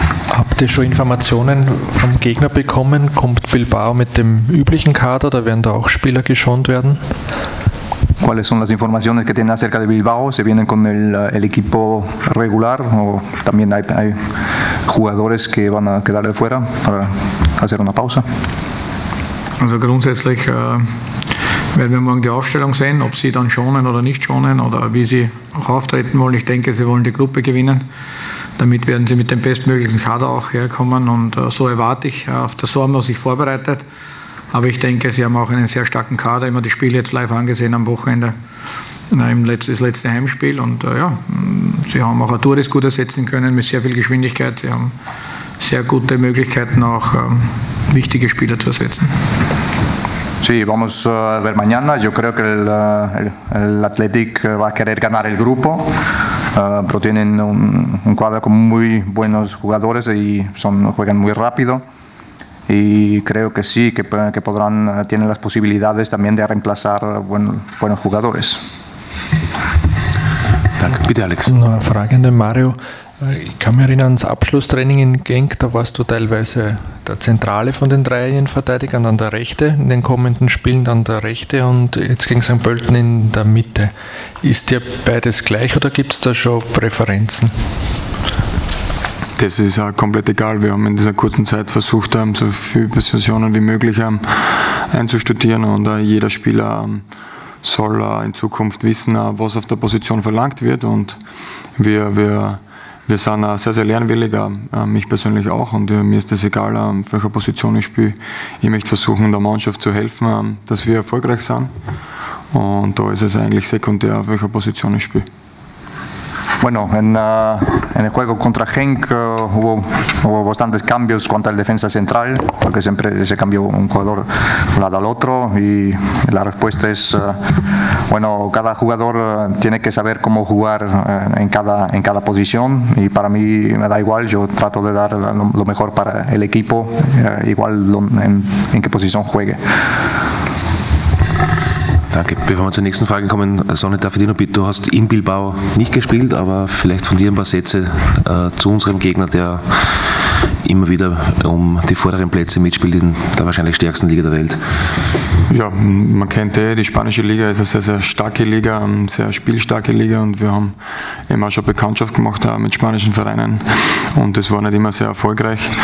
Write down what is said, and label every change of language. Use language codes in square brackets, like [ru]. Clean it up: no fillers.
[de] Habt ihr schon Informationen vom Gegner bekommen? Kommt Bilbao mit dem üblichen Kader oder werden da auch Spieler geschont werden? [es] ¿Cuáles son las informaciones que tienen acerca de Bilbao? ¿Se vienen con el equipo regular o también hay jugadores que van a quedar de fuera para hacer una pausa? [de] Also grundsätzlich werden wir morgen die Aufstellung sehen, ob sie dann schonen oder nicht schonen oder wie sie auch auftreten wollen. Ich denke, sie wollen die Gruppe gewinnen. Damit werden sie mit dem bestmöglichen Kader auch herkommen und so erwarte ich. Auf das haben wir sich vorbereitet. Aber ich denke, sie haben auch einen sehr starken Kader. Immer die Spiele jetzt live angesehen am Wochenende, das letzte Heimspiel. Und ja, sie haben auch Arturis gut ersetzen können mit sehr viel Geschwindigkeit. Sie haben sehr gute Möglichkeiten, auch wichtige Spieler zu ersetzen. [es] Sí, vamos a ver mañana. Yo creo que el Athletic va a querer ganar el grupo, pero tienen un cuadro con muy buenos jugadores y juegan muy rápido. Y creo que sí, que podrán, tienen las posibilidades también de reemplazar buenos jugadores. [de] Danke. Bitte, Alex. Eine Frage an den Mario. Ich kann mich erinnern ans Abschlusstraining in Genk, da warst du teilweise der Zentrale von den Dreilinienverteidigern, dann der Rechte in den kommenden Spielen, dann der Rechte und jetzt gegen St. Pölten in der Mitte. Ist dir beides gleich oder gibt es da schon Präferenzen? Das ist auch komplett egal. Wir haben in dieser kurzen Zeit versucht, so viele Positionen wie möglich einzustudieren und jeder Spieler soll in Zukunft wissen, was auf der Position verlangt wird und wir sind sehr, sehr lernwillig, mich persönlich auch. Und mir ist es egal, auf welcher Position ich spiele. Ich möchte versuchen, der Mannschaft zu helfen, dass wir erfolgreich sind. Und da ist es eigentlich sekundär, auf welcher Position ich spiele. [es] Bueno, en el juego contra Genk hubo bastantes cambios contra el defensa central, porque siempre se cambió un jugador de un lado al otro y la respuesta es, cada jugador tiene que saber cómo jugar en cada posición y para mí me da igual, yo trato de dar lo mejor para el equipo, igual en qué posición juegue. [de] Danke. Bevor wir zur nächsten Frage kommen, Sonne, darf ich dir noch bitten, du hast in Bilbao nicht gespielt, aber vielleicht von dir ein paar Sätze zu unserem Gegner, der immer wieder um die vorderen Plätze mitspielt in der wahrscheinlich stärksten Liga der Welt. Ja, man kennt die spanische Liga, ist eine sehr, sehr starke Liga, eine sehr spielstarke Liga und wir haben eben auch schon Bekanntschaft gemacht mit spanischen Vereinen und das war nicht immer sehr erfolgreich.